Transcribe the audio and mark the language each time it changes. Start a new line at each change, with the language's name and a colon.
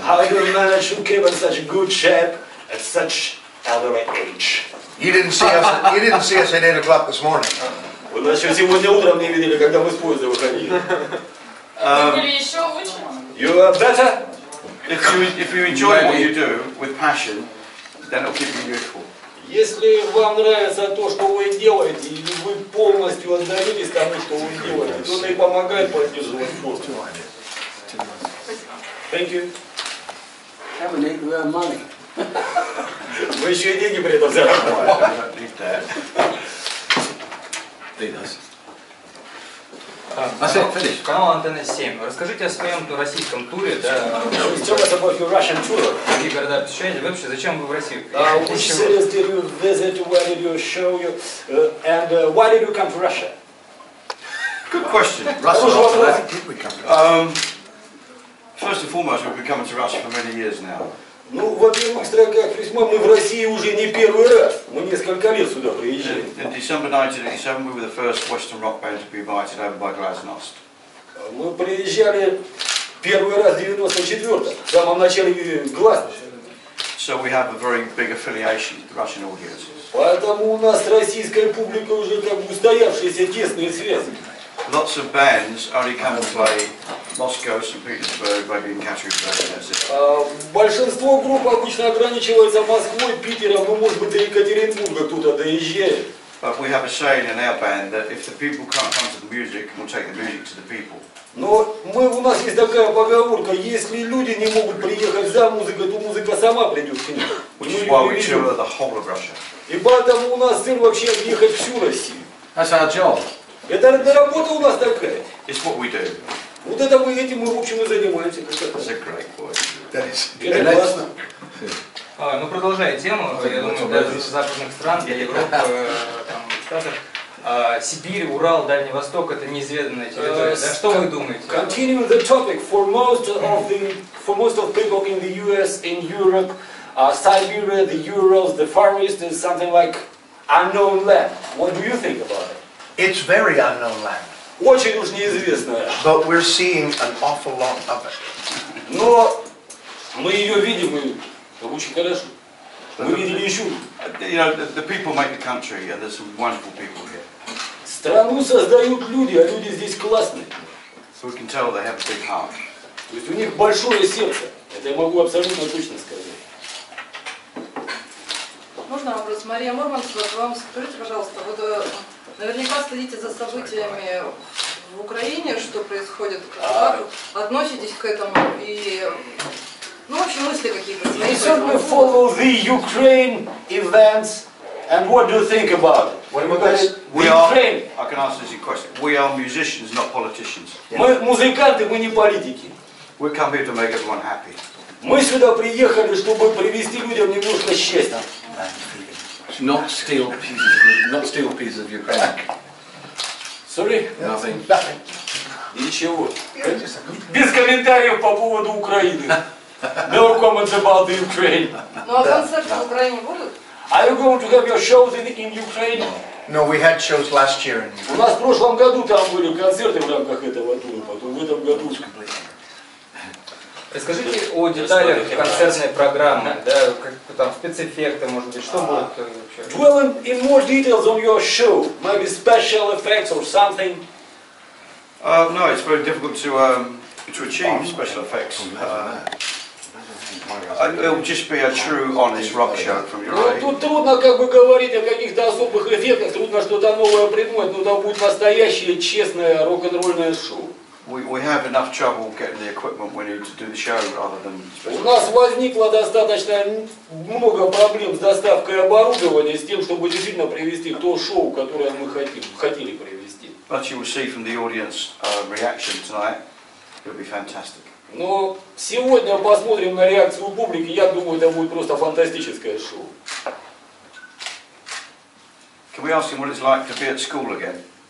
English: How do you manage to keep in such good shape at such elder age? You didn't see us at 8 o'clock this morning.
Russian: Вы нас еще сегодня утром не видели, когда мы с поезда выходили.
English: You are better. If you enjoy what you do with passion, then it'll keep you youthful.
Russian: Если вам нравится то, что вы делаете, и вы полностью отдавились тому, что вы делаете, то это и помогает поддерживать форму.
English: Thank you. Have a need your money.
Russian: Вы еще и деньги при этом заработали. Канал Антенна 7. Расскажите о своем российском туре. Какие города посещаете? Вообще, зачем вы в Россию?
English: Which cities did you visit? Where did you show you? And why did you come to Russia? Good question. Russia. Why did we come? First and foremost, we've been coming to Russia for many years now.
Russian: Ну, во-первых, как весьма, мы в России уже не первый раз. Мы несколько лет сюда приезжали.
English: In December 1987, we were the first Western rock band to be invited over by Glasnost.
Russian: Мы приезжали первый раз в 1994, в самом начале Glasnost.
English: So we have a very big affiliation with the Russian audiences.
Russian: Поэтому у нас с российской публикой уже как бы устоявшиеся тесные связи.
English: Lots of bands only come and play Moscow, St. Petersburg, maybe in Katrinburg, that's it.
Russian: Большинство групп обычно ограничивается Москвой, Питером, ну, может быть, Екатеринбурга туда доезжает.
English: But we have a saying in our band that if the people can't come to the music, we'll take the music to the people.
Russian: Но мы, у нас есть такая поговорка, если люди не могут приехать за музыкой, то музыка сама придет к ним.
English: Which is why we tour the whole of Russia.
Russian: И поэтому у нас цель вообще объехать всю Россию.
English: That's our job.
Russian: Это работа у нас такая.
English: It's what we do.
Russian: Вот это мы этим, в общем, и занимаемся.
English: That's a great question.
Russian: Это классно. Ну, продолжая тему, я думаю, для западных стран, для Европы, там, Штатов, Сибирь, Урал, Дальний Восток, это неизведанная территория. Да, что вы думаете?
English: Continuing the topic, for most of people in the US, in Europe, Siberia, the Urals, the Far East is something like unknown land. What do you think about it? It's very unknown land.
Russian: Очень уж неизвестная.
English: But we're seeing an awful lot of it.
Russian: Но мы ее видим, и это очень хорошо. Мы видели еще.
English: You know, the people make the country, and there's some wonderful people here.
Russian: Страну создают люди, а люди здесь классные.
English: So we can tell they have a big heart.
Russian: То есть у них большое сердце. Это я могу абсолютно точно сказать. Можно вопрос? Мария Мурманцева, вам скажите, пожалуйста, вот наверняка следите за событиями в Украине, что происходит, как относитесь к этому и, ну, в общем, мысли какие-то свои.
English: You certainly follow the Ukraine events, and what do you think about it? I can answer this question. We are musicians, not politicians. Yeah.
Russian: Мы музыканты, мы не политики.
English: We come here to make everyone happy.
Russian: Мы сюда приехали, чтобы привести людям немножко счастья.
English: Not steal pieces of Ukraine. Sorry. Nothing.
Russian: Ничего. Без комментариев по поводу Украины.
English: No comments about the Ukraine.
Russian: Ну а концерты в Украине будут?
English: Are you going to have your shows in Ukraine? No, we had shows last year.
Russian: У нас в прошлом году там были концерты в рамках этого тура, потом в этом году. Расскажите о деталях концертной программы, да, как там спецэффекты, может быть, что будет вообще?
English: Dwell in more details on your show, maybe special effects or something. No, it's very difficult to achieve special effects. It'll just be a true, honest rock show from your eye.
Russian: Тут трудно как бы говорить о каких-то особых эффектах, трудно что-то новое придумать, но там будет настоящее, честное рок-н-ролльное шоу.
English: We have enough trouble getting the equipment we need to do the show rather than.
Russian: У нас возникло достаточно много проблем с доставкой оборудования, с тем, чтобы действительно привести то шоу, которое мы хотели привести.
English: But you will see from the audience reaction tonight, it'll be fantastic.
Russian: Но сегодня посмотрим на реакцию публики, я думаю, это будет просто фантастическое шоу.
English: Can we ask him what it's like to be at school again?